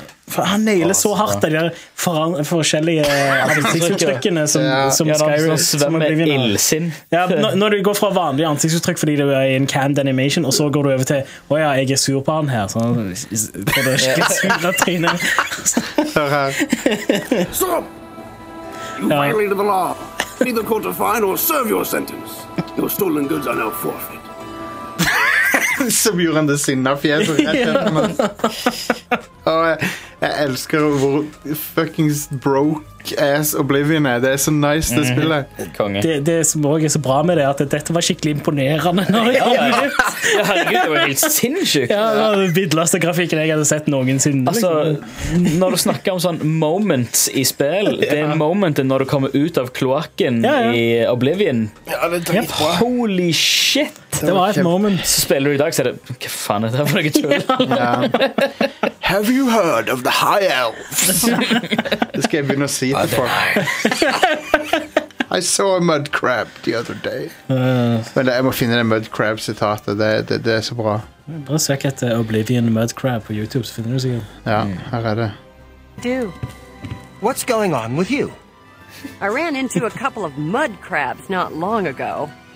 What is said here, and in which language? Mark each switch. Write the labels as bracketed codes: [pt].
[no] Han nailer så hardt de forskjellige ansiktsuttrykkene som Skyrim som Oblivion har. Ja, når du går fra vanlig ansiktsuttrykk fordi du er i en canned animation, og så går du over til, åja, jeg er sur på han her, så får du ikke sur av trynet. Hør her. [en] Stop! You violated the law. Neither court to fine or serve your sentence. Your stolen goods are now forfeit. [no] Som gjorde han det sinne fjeset rett gjennom han. Og jeg elsker hvor fucking broke-ass Oblivion er. Det er så nice det spillet. Det som også er så bra med det er at dette var skikkelig imponerende når jeg hadde blitt. Ja, herregud, det var helt sinnssykt. Ja, det var den vidleste grafikken jeg hadde sett noensinne. Altså, når du snakker om sånn moments i spill, det er momentet når du kommer ut av kloakken i Oblivion. Ja, det er dritbra. [en] Holy shit! [no] det var et moment. Så spiller du i dag, så er det, hva faen er det for noe tull? [en] Have you heard of the high elves? [no] Det skal jeg begynne å si til folk. [en] I saw a mud crab the other day. [no] Men jeg må finne det mud crab sitatet, det er så bra. Bare søk etter Oblivion mud crab på YouTube, så finner du sikkert. Ja, her er det. [en] Do. What's going on with you? I ran into a couple of mud crabs not long ago.